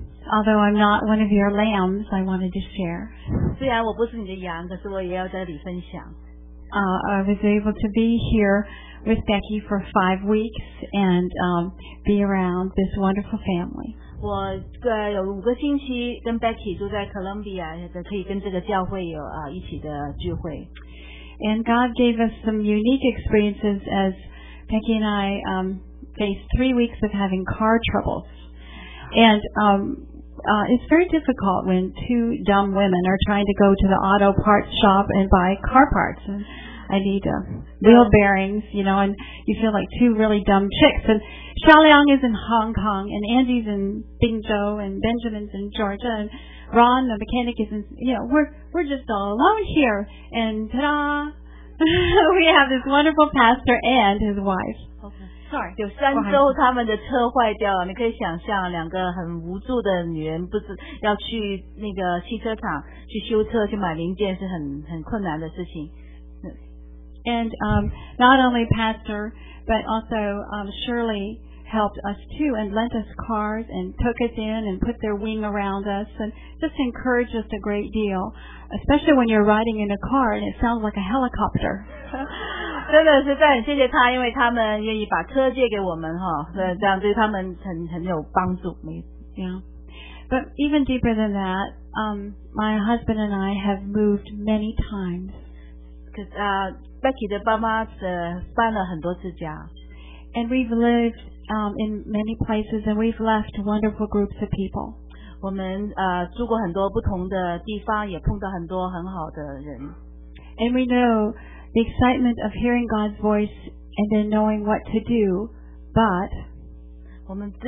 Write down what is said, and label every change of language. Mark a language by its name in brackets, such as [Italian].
[English] Although I'm not one of your lambs, I wanted to share. [Chinese] 虽然我不是你的羊，可是我也要在这里分享。 [English] I was able to be here with Becky for 5 weeks and be around this wonderful family. [Chinese] 我有五个星期跟 Becky 住在 Columbia， 可以跟这个教会有一起的聚会。 [English] And God gave us some unique experiences as Becky and I faced 3 weeks of having car troubles. And it's very difficult when two dumb women are trying to go to the auto parts shop and buy car parts. And I need wheel bearings, you know, and you feel like two really dumb chicks. And Xiaoliang is in Hong Kong, and Andy's in Bingzhou, and Benjamin's in Georgia, and Ron, the mechanic, is in, you know, we're just all alone here. And ta-da! We have this wonderful pastor and his wife. Sorry. [Chinese] 有三周他们的车坏掉了，你可以想象两个很无助的女人，不是要去那个汽车厂去修车，去买零件是很困难的事情。 [English] And not only Pastor, but also Shirley helped us too and lent us cars and took us in and put their wing around us and just encouraged us a great deal, especially when you're riding in a car and it sounds like a helicopter. [Chinese] 真的是很谢谢他, 因为他们愿意把车借给我们, 哈, 这样对他们很有帮助, [English] yeah. But even deeper than that, my husband and I have moved many times. [Chinese] Becky的爸妈搬了很多次家, [English] and we've lived in many places and we've left wonderful groups of people. [Chinese] 我们, 住过很多不同的地方, 也碰到很多很好的人, [English] and we know the excitement of hearing God's voice and then knowing what to do, but